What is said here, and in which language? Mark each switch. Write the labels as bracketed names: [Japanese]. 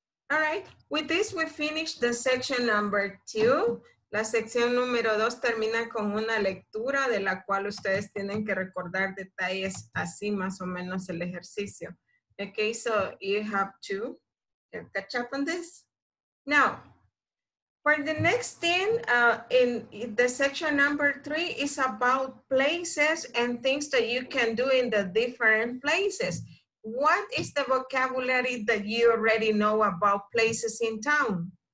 [English] All right, with this we finish the section number two. [Spanish] La sección número dos termina con una lectura de la cual ustedes tienen que recordar detalles, así más o menos el ejercicio. [English] Okay, so you have to catch up on this. Now, for the next thing, in the section number three is about places and things that you can do in the different places. What is the vocabulary that you already know about places in town?